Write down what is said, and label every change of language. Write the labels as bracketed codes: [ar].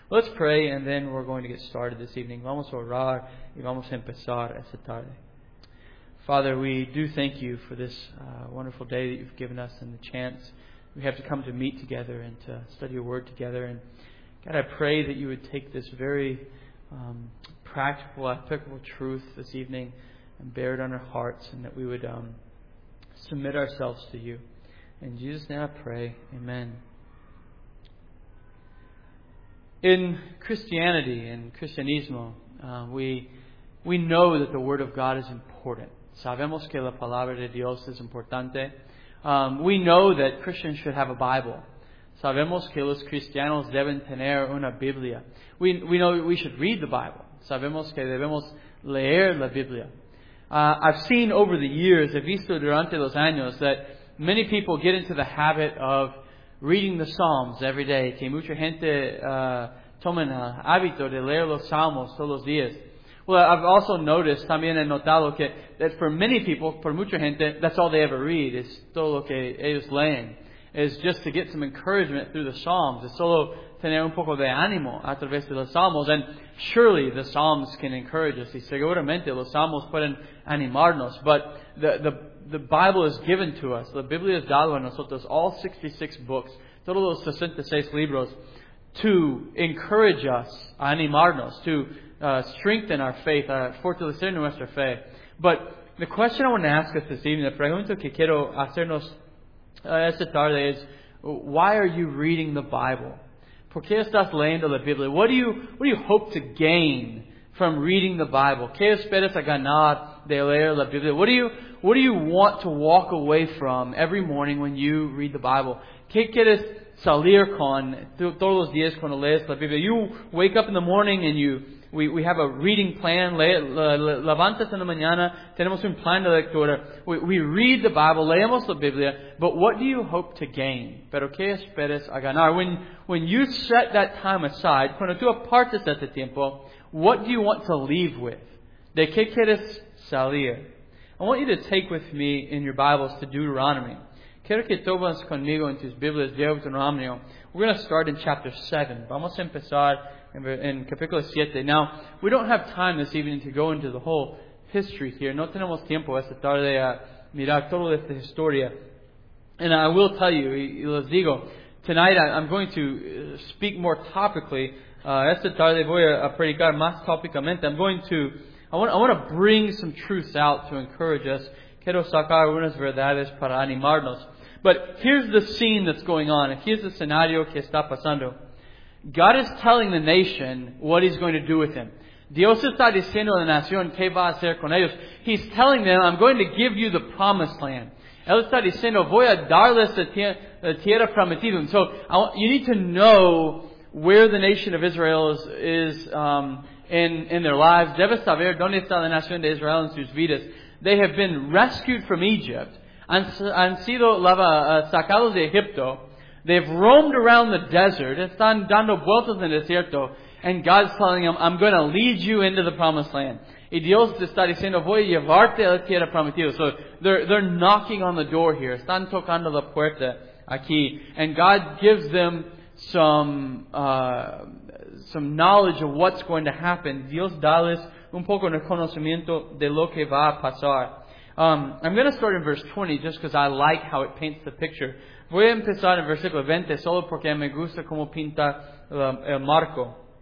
[en] Let's pray and then we're going to get started this evening. [es] Vamos a orar y vamos a empezar esta tarde. [en] Father, we do thank you for this wonderful day that you've given us and the chance we have to come to meet together and to study your word together. And God, I pray that you would take this very practical, applicable truth this evening and bear it on our hearts, and that we would submit ourselves to you. In Jesus' name I pray, amen. In Christianity, in Cristianismo, we know that the Word of God is important. [es] Sabemos que la Palabra de Dios es importante. [en] We know that Christians should have a Bible. [es] Sabemos que los cristianos deben tener una Biblia. [en] We know we should read the Bible. [es] Sabemos que debemos leer la Biblia. [en] I've seen over the years, [es] he visto durante los años, [en] that many people get into the habit of reading the Psalms every day. [es] Que mucha gente toma el hábito de leer los Salmos todos los días. [en] Well, I've also noticed, [es] también he notado que, [en] that for many people, for [es] mucha gente, [en] that's all they ever read, [es] es todo lo que ellos leen. [en] Is just to get some encouragement through the Psalms. [es] Es solo tener un poco de ánimo a través de los Salmos. [en] And surely the Psalms can encourage us. [es] Y seguramente los Salmos pueden animarnos. [en] But the Bible is given to us. [es] La Biblia es dado a nosotros. [en] All 66 books. [es] Todos los 66 libros. [en] To encourage us. [es] A animarnos. [en] To strengthen our faith. [es] A fortalecer nuestra fe. [en] But the question I want to ask us this evening. [es] La pregunta que quiero hacernos esta tarde es, [en] why are you reading the Bible? [es] ¿Por qué estás leyendo la Biblia? [en] What do you hope to gain from reading the Bible? [es] ¿Qué esperas a ganar de leer la Biblia? [en] What do you want to walk away from every morning when you read the Bible? [es] ¿Qué quieres salir con todos los días cuando lees la Biblia? [en] You wake up in the morning and we have a reading plan. [es] Levantas en la mañana, tenemos un plan de lectura. [en] We read the Bible, [es] leemos la Biblia, [en] but what do you hope to gain? [es] ¿Pero qué esperas a ganar? [en] When you set that time aside, [es] cuando tú apartas ese tiempo, [en] what do you want to leave with? [es] ¿De qué quieres salir? [en] I want you to take with me in your Bibles to Deuteronomy. [es] Quiero que tomes conmigo en tus Biblias de Deuteronomio. [en] We're going to start in chapter 7. [es] Vamos a empezar en capítulo 7. [en] Now, we don't have time this evening to go into the whole history here. [es] No tenemos tiempo esta tarde a mirar toda esta historia. [en] And I will tell you, [es] y les digo, [en] tonight I'm going to speak more topically. [es] Esta tarde voy a predicar más tópicamente. [en] I want to bring some truths out to encourage us. [es] Quiero sacar unas verdades para animarnos. [en] But here's the scene that's going on. Here's the scenario [es] que está pasando. [en] God is telling the nation what He's going to do with them. [es] Dios está diciendo a la nación qué va a hacer con ellos. [en] He's telling them, I'm going to give you the promised land. [es] Él está diciendo, voy a darles la tierra prometida. [en] So you need to know where the nation of Israel is in their lives. [es] Debes saber dónde está la nación de Israel en sus vidas. [en] They have been rescued from Egypt. [es] Han sido sacados de Egipto. [en] They've roamed around the desert. [es] Están dando vueltas en el desierto. [en] And God's telling them, I'm going to lead you into the promised land. [es] Y Dios está diciendo, voy a llevarte a la tierra prometida. [en] So they're knocking on the door here. [es] Están tocando la puerta aquí. [en] And God gives them some knowledge of what's going to happen. [es] Dios dales un poco de conocimiento de lo que va a pasar. [en] I'm going to start in verse 20 just because I like how it paints the picture. [es] Voy a empezar en versículo 20 solo porque me gusta cómo pinta el marco.